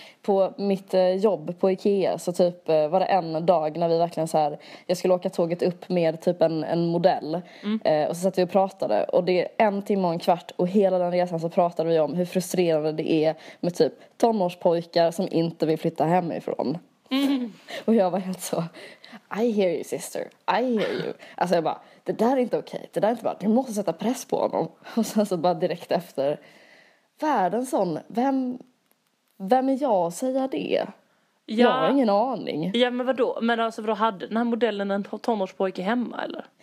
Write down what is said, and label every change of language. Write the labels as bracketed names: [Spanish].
[Swedish] På mitt jobb på IKEA så typ var det en dag när vi verkligen så här, jag skulle åka tåget upp med typ en modell. Och så satt vi och pratade. Och det är en timme och en kvart, och hela den resan så pratade vi om hur frustrerande det är med typ tonårspojkar som inte vill flytta hemifrån. Mm. Och jag var helt så, [English] I hear you sister, I hear you. [Swedish] Alltså jag bara, det där är inte okej, det där är inte bra, du måste sätta press på honom. Och sen så bara direkt efter, världen sån, vem är jag att säga det? Ja. Jag har ingen aning. Ja, men vadå? Men alltså, vadå, hade den här modellen en tonårspojke hemma, eller?